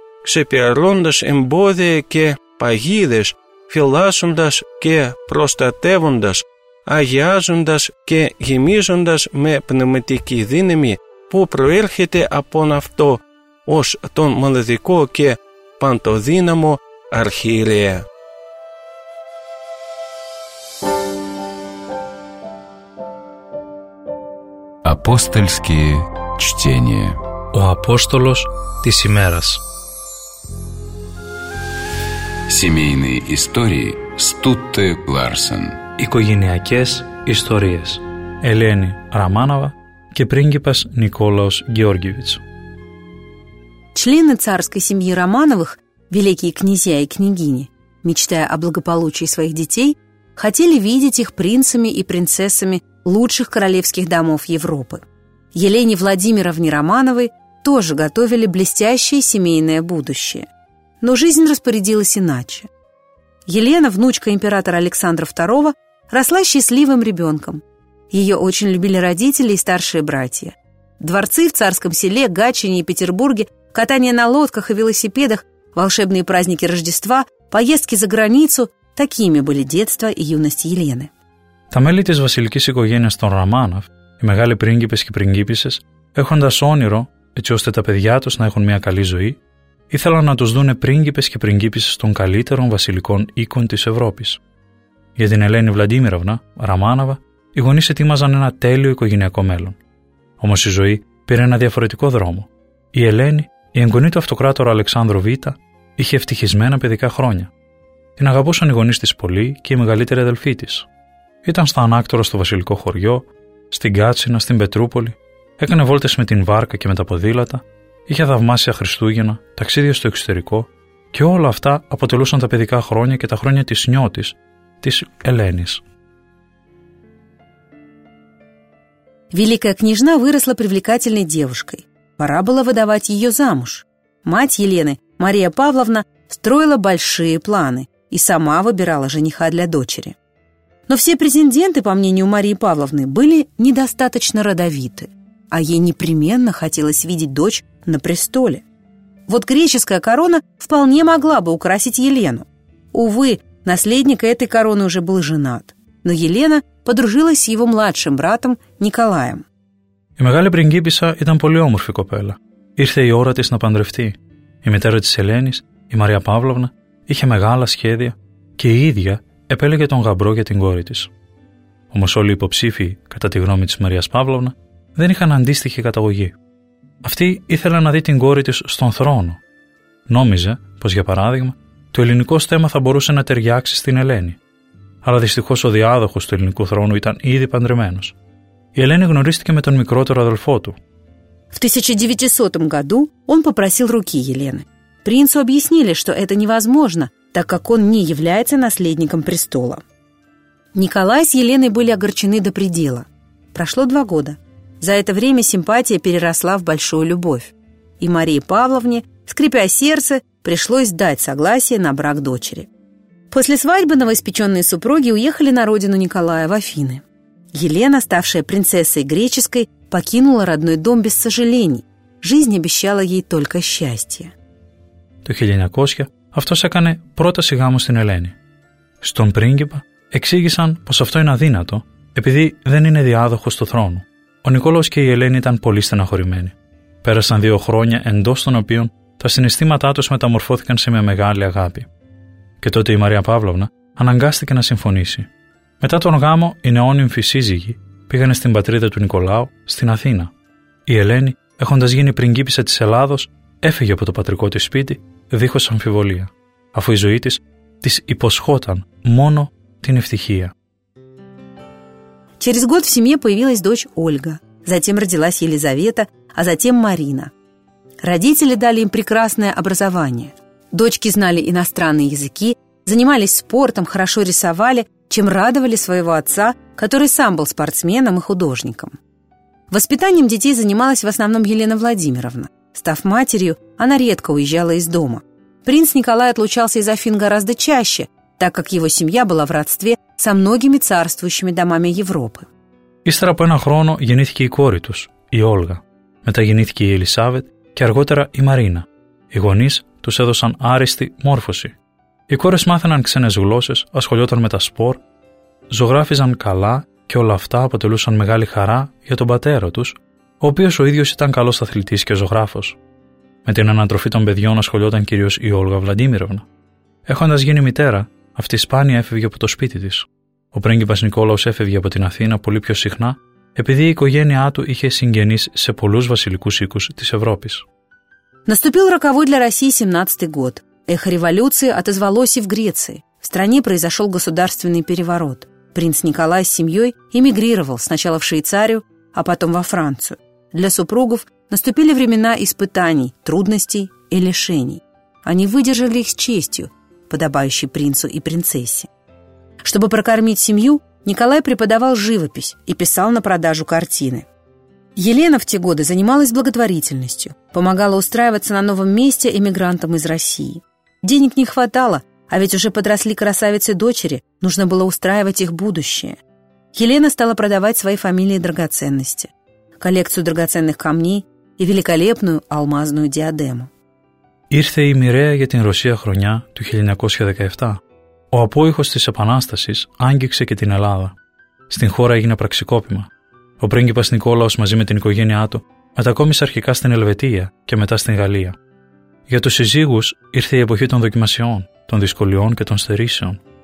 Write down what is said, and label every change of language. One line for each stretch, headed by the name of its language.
Greek: ξεπερώντας εμπόδια και παγίδες, φυλάσσοντας και προστατεύοντας, αγιάζοντας και γεμίζοντας με πνευματική δύναμη που προέρχεται από Αυτό ως τον μοναδικό και παντοδύναμο Αρχιερέα.
Russian: Апостольские чтения.
Greek: Ο Апостολος της ημέρας.
Russian: Семейные истории Стутте Ларсен.
Greek: Οικογενειακές ιστορίες. Ελένη Ραμάνοβα και πρίγκιπας Νικόλαος Γεώργιεβιτς.
Russian: Члены царской семьи Романовых, великие князья и княгини, мечтая о благополучии своих детей, хотели видеть их принцами и принцессами лучших королевских домов Европы. Елене Владимировне Романовой тоже готовили блестящее семейное будущее. Но жизнь распорядилась иначе. Елена, внучка императора Александра II, росла счастливым ребенком. Ее очень любили родители и старшие братья. Дворцы в царском селе, Гатчине и Петербурге, катание на лодках и велосипедах, волшебные праздники Рождества, поездки за границу – такими были детство и юность Елены.
Greek: Та мели тез василькис икогенес тон Романов, и мегали прингипес и прингиписес, эхондас онеро, эти осте та педия тус на эхон мия кали зои, ήθελαν να τους δούνε πρίγκιπες και πριγκίπισες των καλύτερων βασιλικών οίκων της Ευρώπης. Για την Ελένη Βλαντίμηροβνα, Ραμάνοβα, οι γονείς ετοίμαζαν ένα τέλειο οικογενειακό μέλλον. Όμως η ζωή πήρε ένα διαφορετικό δρόμο. Η Ελένη, η εγγονή του αυτοκράτορα Αλεξάνδρου Β, είχε ευτυχισμένα παιδικά χρόνια. Την αγαπούσαν οι γονείς της πολύ και η μεγαλύτερη αδελφή της. Ήταν στα ανάκτορα στο βασιλικό χωριό, στην Κάτσινα, στην Πετρούπολη, έκανε βόλτες με την βάρκα και με τα ποδήλατα, είχε θαυμάσια Χριστούγεννα, ταξίδια στο εξωτερικό και όλα αυτά αποτελούσαν τα παιδικά χρόνια και τα χρόνια της νιώτης, της Ελένης.
Russian: Великая княжна выросла привлекательной девушкой. Пора было выдавать ее замуж. Мать Елены, Мария Павловна, строила большие планы и сама выбирала жениха для дочери. Но все претенденты, по мнению Марии Павловны, были недостаточно родовиты, а ей непременно хотелось видеть дочь на престоле. Вот греческая корона вполне могла бы украсить Елену. Увы, наследник этой короны уже был женат. Но Елена подружилась с его младшим братом Николаем.
Greek: Η μεγάλη πριγκίπισσα ήταν πολύ όμορφη κοπέλα. Ήρθε η ώρα της να παντρευτεί. Η μητέρα της Ελένης, η Μαρία Παύλωνα, είχε μεγάλα σχέδια και η ίδια επέλεγε τον γαμπρό για την κόρη της. Όμως όλοι οι υποψήφοι, κατά τη γνώμη της Μαρίας Παύλωνα, δεν είχαν αντίστοιχη καταγωγή. Αυτή ήθελε να δει την κόρη της στον θρόνο. Νόμιζε πως, για παράδειγμα, το ελληνικό στέμμα θα μπορούσε να ταιριάξει στην Ελένη. Αλλά δυστυχώς ο διάδοχος του ελληνικού θρόνου ήταν ήδη παντρεμένος. Η Ελένη γνωρίστηκε με τον μικρότερο αδελφό του.
Russian: В 1900 году он попросил руки Елены. Принцу объяснили, что это невозможно, так как он не является наследником престола. Николай с Еленой были огорчены до предела. Прошло 2 года. За это время симпатия переросла в большую любовь. И Марии Павловне, скрипя сердце, пришлось дать согласие на брак дочери. После свадьбы новоиспеченные супруги уехали на родину Николая, в Афины. Елена, ставшая принцессой греческой, покинула родной дом без сожалений. Жизнь обещала ей только счастье.
Greek: Το 1900 αυτός έκανε πρόταση γάμου στην Ελένη. Στον πρίγκιπα εξήγησαν πως αυτό είναι αδύνατο επειδή δεν είναι διάδοχος του θρόνου. Ο Νικόλαος και η Ελένη ήταν πολύ στεναχωρημένοι. Πέρασαν 2 χρόνια εντός των οποίων τα συναισθήματά τους μεταμορφώθηκαν σε μια μεγάλη αγάπη. Και τότε η Μαρία Παύλωνα αναγκάστηκε να συμφωνήσει. Μετά τον γάμο, οι νεόνυμφοι σύζυγοι πήγανε στην πατρίδα του Νικολάου, στην Αθήνα. Η Ελένη, έχοντας γίνει πριγκίπισσα της Ελλάδος, έφυγε από το πατρικό της σπίτι δίχως αμφιβολία, αφού η ζωή της υποσχόταν μόνο την ευτυχία.
Russian: Через год в семье появилась дочь Ольга, затем родилась Елизавета, а затем Марина. Родители дали им прекрасное образование. Дочки знали иностранные языки, занимались спортом, хорошо рисовали, чем радовали своего отца, который сам был спортсменом и художником. Воспитанием детей занималась в основном Елена Владимировна. Став матерью, она редко уезжала из дома. Принц Николай отлучался из Афин гораздо чаще, так как его семья была в родстве со многими царствующими домами Европы.
Greek: Ύστερα από ένα χρόνο γεννήθηκε η κόρη τους, η Όλγα. Μετά γεννήθηκε η Ελισάβετ και αργότερα η Μαρίνα. Οι γονείς τους έδωσαν άριστη μόρφωση. Οι κόρες μάθαιναν ξένες γλώσσες, ασχολιόταν με τα σπορ, ζωγράφιζαν καλά και όλα αυτά αποτελούσαν μεγάλη χαρά για τον πατέρα τους, ο οποίος ο ίδιος ήταν καλός αθλητής και ζωγράφος. Με την ανατροφή των παιδιών ασχολιόταν κυρίως η Όλγα Βλαντίμιροβνα. Έχοντας γίνει μητέρα, αυτή σπάνια έφευγε από το σπίτι της. Ο πρίγκιπας Νικόλαος έφευγε από την Αθήνα πολύ πιο συχνά, επειδή η οικογένειά του είχε συγγενείς σε πολλούς βασιλικούς οίκους της Ευρώπης.
Russian: Наступил роковой для России 17-й год. Эхо революции отозвалось и в Греции. В стране произошел государственный переворот. Принц Николай с семьей эмигрировал сначала в Швейцарию, а потом во Францию. Для супругов наступили времена испытаний, трудностей и лишений. Они выдержали их с честью, подобающей принцу и принцессе. Чтобы прокормить семью, Николай преподавал живопись и писал на продажу картины. Елена в те годы занималась благотворительностью, помогала устраиваться на новом месте эмигрантам из России. Денег не хватало, а ведь уже подросли красавицы дочери, нужно было устраивать их будущее. Елена стала продавать свои фамильные драгоценности, коллекцию драгоценных камней и великолепную алмазную диадему.
Greek: Ήρθε η μοιραία για την Ρωσία χρονιά του 1917. Ο απόϊχος της Επανάστασης άγγιξε και την Ελλάδα. Στην χώρα έγινε πραξικόπημα. Ο πρίγκιπας Νικόλαος μαζί με την οικογένειά του μετακόμισε αρχικά στην Ελβετία και μετά στην Γαλλία. Για τους συζύγους ήρθε η εποχή των δοκιμασιών, των δυσκολιών και των στερήσεων.